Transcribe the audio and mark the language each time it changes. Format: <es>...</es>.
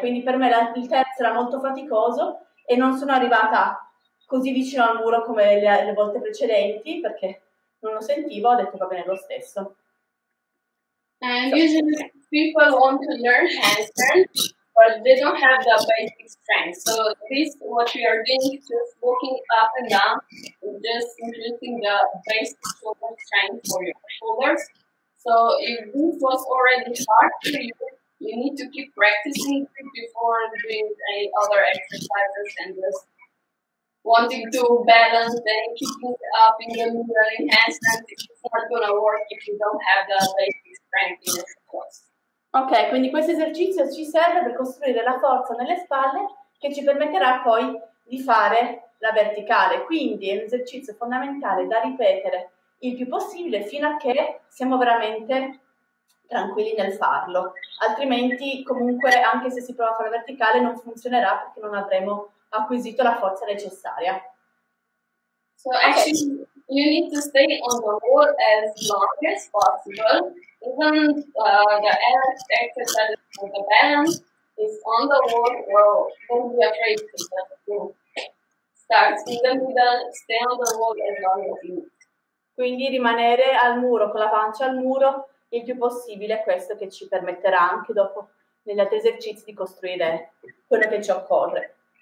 <it>quindi per me il terzo era molto faticoso e non sono arrivata così vicino al muro come le volte precedenti perché non lo sentivo, ho detto va bene lo stesso.</it> <en>And usually people want to learn handstand, but they don't have the basic strength. So this, what we are doing, just walking up and down, just increasing the basic shoulder strength for your shoulders. So if this was already hard for you, you need to keep practicing before doing any other exercises and just wanting to balance and keep it up in the middle in handstand. It's not going to work if you don't have the basic strength in the support.</en> <it>Ok, quindi questo esercizio ci serve per costruire la forza nelle spalle che ci permetterà poi di fare la verticale. Quindi è un esercizio fondamentale da ripetere il più possibile fino a che siamo veramente tranquilli nel farlo. Altrimenti comunque anche se si prova a fare la verticale non funzionerà perché non avremo acquisito la forza necessaria.</it> <en>So actually you need to stay on the wall as long as possible. Even the exercise for the balance is on the wall, well, don't be afraid to start in the middle, stay on the wall as long as you need.</en> <it>Quindi rimanere al muro, con la pancia al muro, il più possibile è questo che ci permetterà anche dopo, negli altri esercizi, di costruire quello che ci occorre.</it>